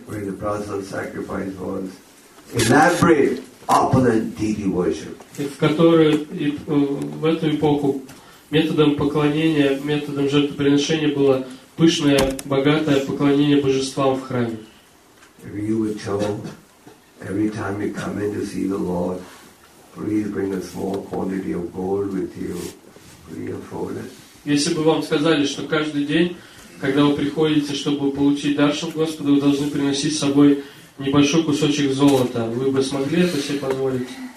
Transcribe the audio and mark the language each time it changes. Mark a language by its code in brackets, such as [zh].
[en] Where the process of sacrifice was elaborate. opulent deity worship. [ru] В которую в эту эпоху методом поклонения, методом жертвоприношения было пышное, богатое поклонение божествам в храме. [en] You were told every time you come in to see the Lord, please bring a small quantity of gold with you. Please afford it. [ru] Если бы вам сказали, что каждый день, когда вы приходите, чтобы получить даршан Господа, вы должны приносить с собой небольшой кусочек золота, вы бы смогли это себе позволить?